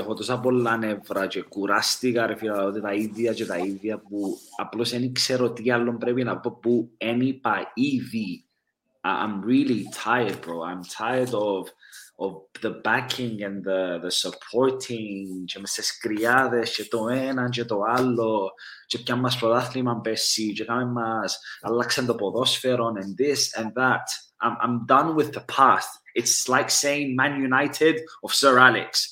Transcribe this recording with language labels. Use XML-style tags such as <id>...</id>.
<el>Έχω τόσα πολλά νεύρα και κουράστηκα, ρε φίλε, ότι τα ίδια και τα ίδια που απλώς δεν ξέρω τι άλλο πρέπει να πω που δεν είπα ήδη.</el> <en>I'm really tired, bro. I'm tired of the backing and the supporting.</en> <el>Και μες στις κρυάδες και το ένα και το άλλο. Και πιάνε μας πρωτάθλημα πέρσι. Και κάνε μας αλλάξαν το ποδόσφαιρο</el> <en>and this and that. I'm done with the past. It's like saying Man United of Sir Alex.</en>